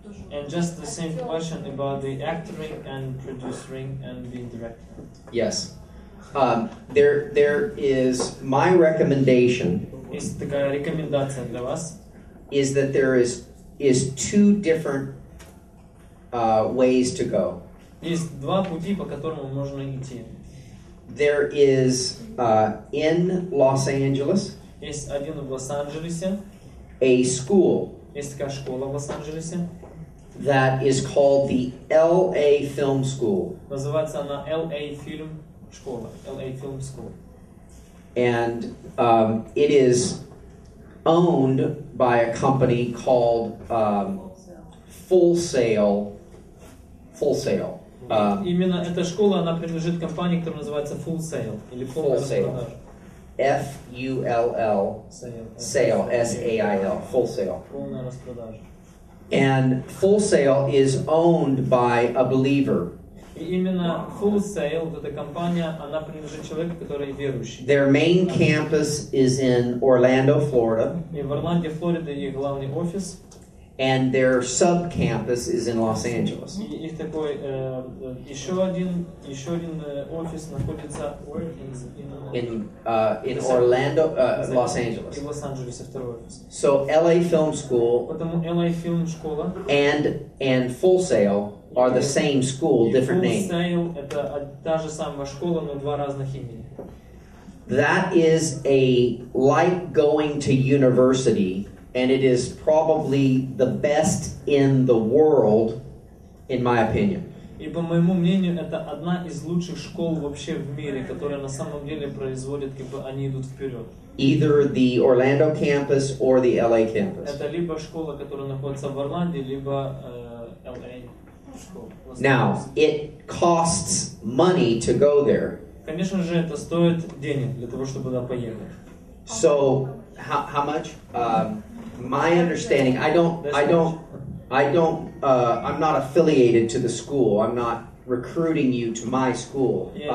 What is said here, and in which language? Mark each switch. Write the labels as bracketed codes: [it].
[en] And just the same question about the acting and producing and being director. Yes. There is my recommendation. Is the recommendation for us? Is that there is two different ways to go. [ru] Есть два пути, по которым можно идти. [en] There is in Los Angeles. [ru] Есть один в Лос-Анджелесе. [en] A school. [ru] Есть такая школа в Лос-Анджелесе. [en] That is called the LA Film School. [ru] Называется она LA Film школа. LA Film School. [en] And it is owned by a company called Full Sail. [ru] Именно эта школа, она принадлежит компании, которая называется Full Sail или [en] Full Sail. F U L L Sail, S A I L, Full Sail. [ru] Полная распродажа. [en] And Full Sail is owned by a believer. [ru] И именно Full Sail, вот эта компания, она принадлежит человеку, который верующий. [en] Their main campus is in Orlando, Florida. [ru] И в Орландо, Флорида, их главный офис. [en] And their sub-campus is in Los Angeles. [ru] Их такой еще один офис находится [en] In Orlando, Los Angeles. [ru] В Лос-Анджелесе второй офис. [en] So LA Film School. [ru] Потому LA Film школа. [en] And Full Sail are the same school, different name. [ru] Full Sail это та же самая школа, но два разных имени. [en] That is a like going to university. And it is probably the best in the world, in my opinion. [ru] И по моему мнению, это одна из лучших школ вообще в мире, которая на самом деле производит, как бы они идут вперед. [en] Either the Orlando campus or the LA campus. [ru] Это либо школа, которая находится в Орландо, либо LA школа. [en] Now, it costs money to go there. [ru] Конечно же, это стоит денег для того, чтобы туда поехать. [en] So, how much? My understanding, I'm not affiliated to the school. I'm not recruiting you to my school.